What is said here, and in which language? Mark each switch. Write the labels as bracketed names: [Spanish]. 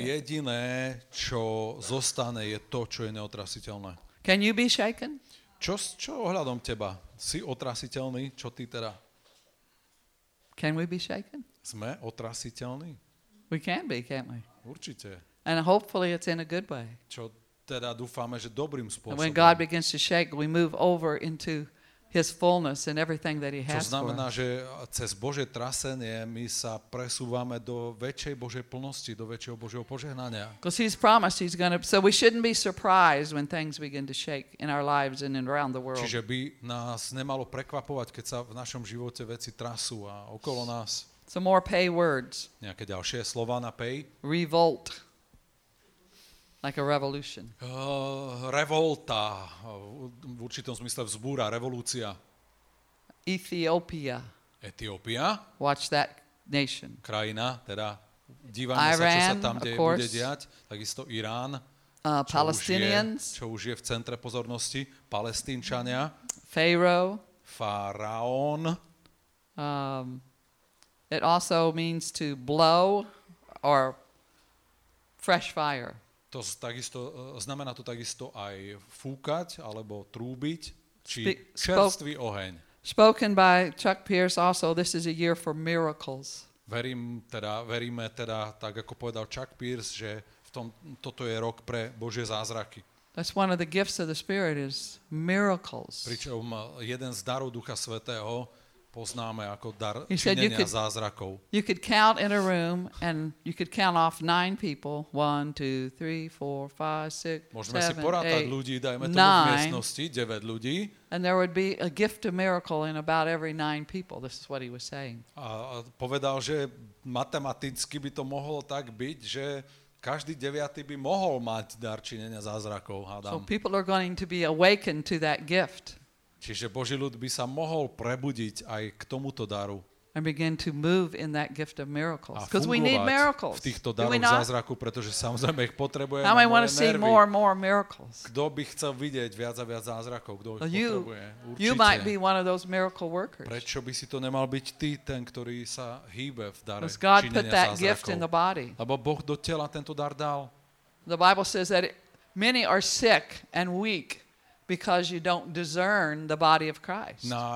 [Slovak] To jediné, čo zostane, je to, čo je neotrasiteľné. [English] Can you be shaken? [Slovak] Čo ohľadom teba? Si otrasiteľný? Čo ty teda? [English] Can we be shaken? [Slovak] Sme otrasiteľní? [English] We can be, can't we? [Slovak] Určite. [English] And hopefully it's in a good way. [Slovak] Čo teda dúfame, že dobrým spôsobom. [English] And when God begins to shake, we move over into his fullness and everything that he has for us. [Slovak] Čo znamená, že cez Božie trasenie my sa presúvame do väčšej Božej plnosti, do väčšieho Božieho požehnania. [English] Because he's promised he's going to, so we shouldn't be surprised when things begin to shake in our lives and around the world. [Slovak] Čiže by nás nemalo prekvapovať, keď sa v našom živote veci trasú a okolo nás. [English] Some more pay words. [Slovak] Nejaké ďalšie slova na pay. [English] Revolt. Like a revolution. [Slovak] Revolta. V určitom zmysle vzbúra, revolúcia. [English] Ethiopia. [Slovak] Etiópia. [English] Watch that nation. [Slovak] Krajina, teda dívame sa, čo sa tam deje, bude diať. Takisto Irán. [English] Palestinians. [Slovak] Čo už je v centre pozornosti, Palestínčania. [English] Pharaoh. [Slovak] Faraón. [English] It also means to blow or fresh fire. [Slovak] To takisto, znamená to takisto aj fúkať alebo trúbiť, či čerstvý oheň. [English] Spoken by Chuck Pierce also, this is a year for miracles. [Slovak] Veríme teda, tak ako povedal Chuck Pierce, že v tom, toto je rok pre Božie zázraky. [English] That's one of the gifts of the Spirit is miracles. [Slovak] Pričom jeden z darov Ducha Svätého poznáme ako dar činenia zázrakov. [English] You could count in a room and you could count off 9 people. 1, 2, 3, 4, 5, 6, 7, 8, 9. [Slovak] Môžeme si porátať ľudí, dajme tomu v miestnosti, 9 ľudí. [English] And there would be a gift of miracle in about every 9 people. This is what he was saying. [Slovak] A povedal, že matematicky by to mohlo tak byť, že každý deviatý by mohol mať dar činenia zázrakov, hádam. [English] So people are going to be awakened to that gift. [Slovak] Čiže Boží ľud by sa mohol prebudiť aj k tomuto daru. [English] And begin to move in that gift of miracles. Because we need miracles. [Slovak] V týchto daroch zázraku, pretože samozrejme ich potrebujeme. [English] Now I want to see more and more miracles. [Slovak] Kto by chcel vidieť viac a viac zázrakov? Kto ich potrebuje? Určite. [English] You might be one of those miracle workers. [Slovak] Prečo by si to nemal byť ty, ten, ktorý sa hýbe v dare činenia zázrakov? [English] God put that gift in the body. [Slovak] Lebo Boh do tela tento dar dal. [English] The Bible says that many are sick and weak because you don't discern the body of Christ.